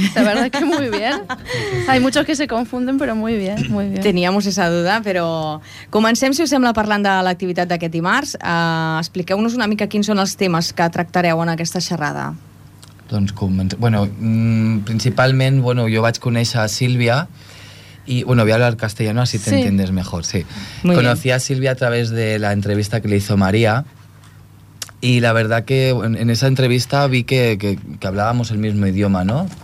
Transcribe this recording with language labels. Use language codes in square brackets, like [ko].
[es] La verdad es que muy bien. Hay muchos que se confunden, pero muy bien, muy bien. [ca] Teníamos esa duda, pero... Comencem, si us sembla, parlant de l'activitat d'aquest dimarts. Expliqueu-nos una mica quins són els temes que tractareu en aquesta xerrada. Doncs comencem... Bueno, principalment, bueno, jo vaig conèixer a Sílvia i, bueno, voy a hablar castellano, así te entiendes mejor, sí. [es] Muy Conocí bien. A Sílvia a través de la entrevista que le hizo María. Y la verdad que en esa entrevista vi que hablábamos el mismo idioma, ¿no?